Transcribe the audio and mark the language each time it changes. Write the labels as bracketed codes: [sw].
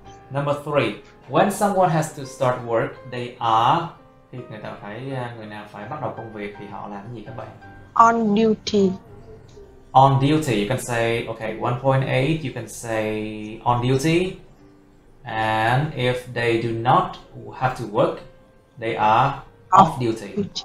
[en] Number three, when someone has to start work, they are. [vi] Thì người ta phải người nào phải bắt đầu công việc thì họ làm cái gì các bạn? [en] On duty. On duty, you can say, okay, 1.8, you can say on duty. And if they do not have to work, they are off duty.